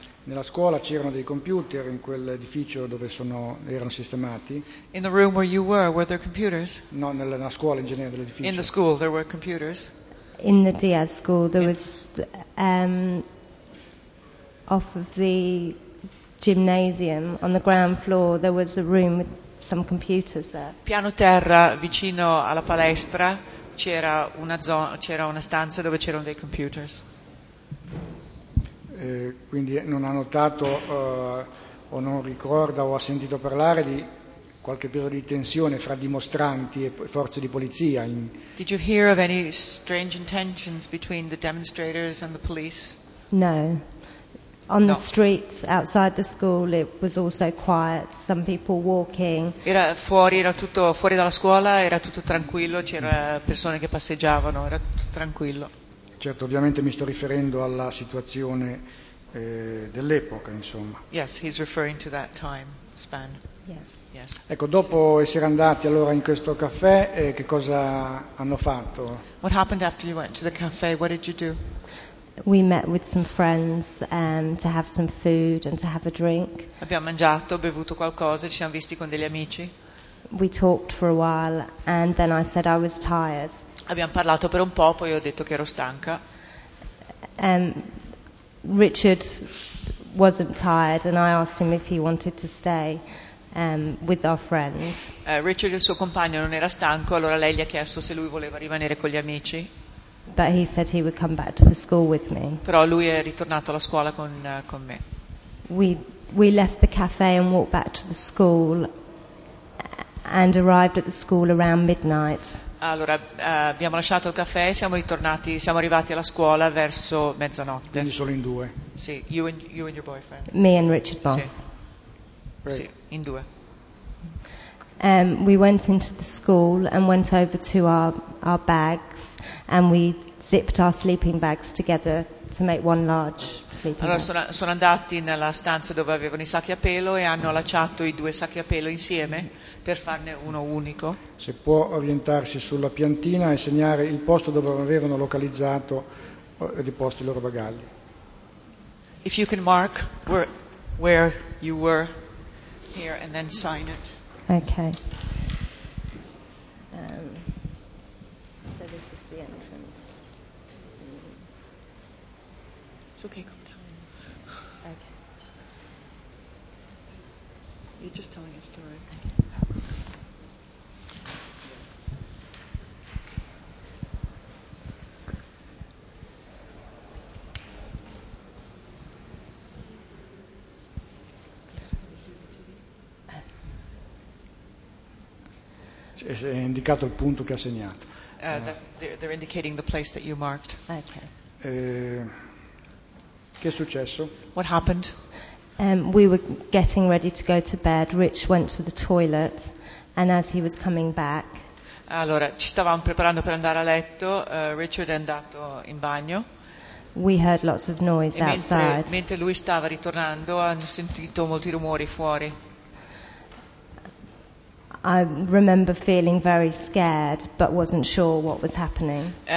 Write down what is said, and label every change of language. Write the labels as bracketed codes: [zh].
[it] Nella scuola c'erano dei computer in quell'edificio dove erano sistemati. [en] In the room where you were there computers? [it] No, nella scuola in generale dell'edificio. [en] In the school there were computers. In the Diaz school there was off of the gymnasium on the ground floor there was a room with some computers there. [it] Piano terra vicino alla palestra c'era una stanza dove c'erano dei computers. Quindi non ha notato o non ricorda o ha sentito parlare di qualche periodo di tensione fra dimostranti e forze di polizia. [en] Did you hear of any strange intentions between the demonstrators and the police? No. On the streets outside the school it was also quiet, some people walking. [it] Era fuori, era tutto fuori dalla scuola, era tutto tranquillo, c'era persone che passeggiavano, era tutto tranquillo. Certo, ovviamente mi sto riferendo alla situazione dell'epoca, insomma. [en] Yes, he's referring to that time span. Yeah. Yes. [it] Ecco, dopo essere andati allora in questo caffè, che cosa hanno fatto? [en] What happened after you went to the cafe? What did you do? We met with some friends to have some food and to have a drink. [it] Abbiamo mangiato, bevuto qualcosa, ci siamo visti con degli amici. [en] We talked for a while and then I said I was tired. [it] Abbiamo parlato per un po', poi ho detto che ero stanca. [en] Richard wasn't tired and I asked him if he wanted to stay with our friends. [it] Richard, il suo compagno, non era stanco, allora lei gli ha chiesto se lui voleva rimanere con gli amici. [en] But he said he would come back to the school with me. [it] Però lui è ritornato alla scuola con me. [en] We left the cafe and walked back to the school and arrived at the school around midnight. [it] Allora, abbiamo lasciato il caffè e siamo arrivati alla scuola verso mezzanotte. Quindi solo in due. Sì, [en] you and your boyfriend. Me and Richard Boss. [it] Sì, in due. [en] We went into the school and went over to our bags and we zipped our sleeping bags together to make one large sleeping [it] allora, [en] bag. [it] Allora sono andati nella stanza dove avevano i sacchi a pelo e hanno allacciato i due sacchi a pelo insieme per farne uno unico. Se può orientarsi sulla piantina e segnare il posto dove avevano localizzato e deposto i loro bagagli. [en] If you can mark where you were here and then sign it. Okay. So this is the entrance. It's okay, come down. Okay. You're just telling a story. Okay. [it] è indicato il punto che ha segnato. [en] They're indicating the place that you marked. Okay. [it] Che è successo? [en] What happened? We were getting ready to go to bed. Rich went to the toilet, and as he was coming back. [it] Allora, ci stavamo preparando per andare a letto. Richard è andato in bagno. [en] We heard lots of noise outside. [it] Mentre lui stava ritornando, hanno sentito molti rumori fuori. [en] I remember feeling very scared, but wasn't sure what was happening.